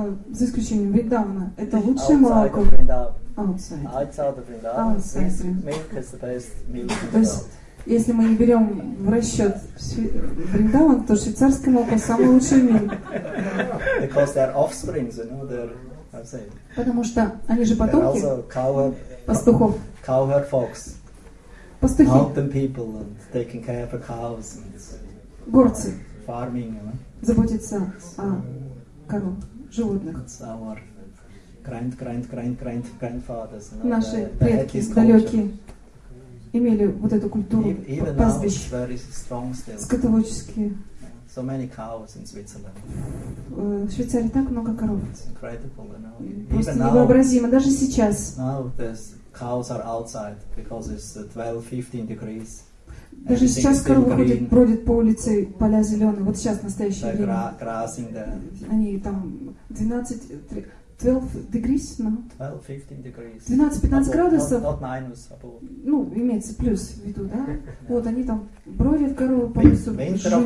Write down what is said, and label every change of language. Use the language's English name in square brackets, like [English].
[Russian] За исключением Вриндавана. Это лучшее молоко. То есть, если мы не берем в расчет Вриндаван, то швейцарское молоко самое лучшее в мире. [English] Because they are offsprings, you know, they're, I'm saying. [Russian] Потому что они же потомки [English] also cowherd, [Russian] пастухов. [English] Cowherd fox. [Russian] Пастухи. [English] Mountain people and taking care of cows and [Russian] горцы. [English] Farming, you know. [Russian] Заботиться о коровах. Животных. [English] It's our grandfathers. [Russian] Наши предки далекие имели вот эту культуру пастбищ. Скотоводческие. [English] So many cows in Switzerland. [Russian] В Швейцарии так много коров. [English] It's incredible, you know. [Russian] Просто [English] even [Russian] невообразимо, [English] now, [Russian] даже сейчас. [English] Now the cows are outside because it's 12-15 degrees. [Russian] Даже сейчас коровы бродят по улице, поля зеленые, вот сейчас настоящее время. [English] Grassing, да. [Russian] Они там 12 [English] degrees, no? 12-15 degrees. [Russian] 12-15 градусов. [English] Not minus, above. [Russian] Ну, имеется плюс в виду, да? [English] Yeah. [Russian] Вот они там бродят коровы по улице, жуют траву.